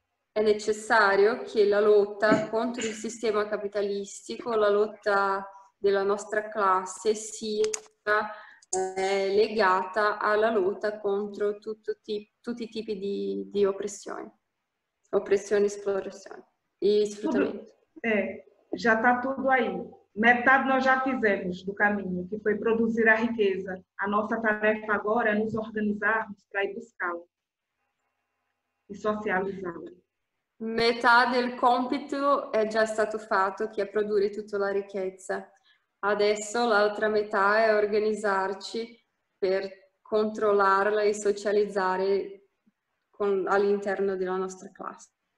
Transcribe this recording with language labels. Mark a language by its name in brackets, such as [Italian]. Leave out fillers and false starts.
[Italian] È necessario che la lotta contro il sistema capitalistico, la lotta della nostra classe, sia legata alla lotta contro tutti i tipi di oppressione. Oppressione, esplorazione e sfruttamento. Già sta tutto aí. [Portuguese] Metade nós já fizemos do caminho, que foi produzir a riqueza. A nossa tarefa agora é nos organizarmos para ir buscá-la e socializá-la. [Italian] Metà del compito è già stato fatto, che è produrre tutta la ricchezza. Adesso l'altra metà è organizzarci per controllarla e socializzare all'interno della nostra classe.